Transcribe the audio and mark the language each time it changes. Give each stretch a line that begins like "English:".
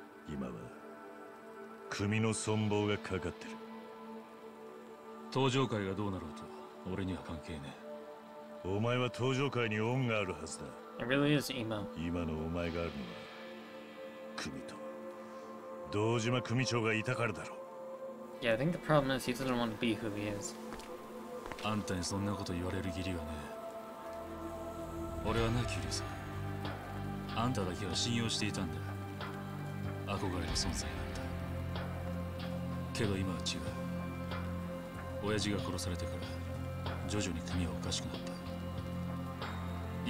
Japanese: 今は組の存亡がかかってる。登場会がどうなろうと俺には関係ねえ。お前は登場会に恩があるはずだ。
English: It really is emo.
Japanese: 今のお前があるのは組と堂島組長がいたからだろう。
English: Yeah, I think the problem is he doesn't want to be who he is.
Japanese: あんたにそんなこと言われる義理はねえ。俺はな、キリュウさん、あんただけは信用していたんだ。憧れの存在だった。けど今は違う。親父が殺されてから徐々に組はおかしくなった。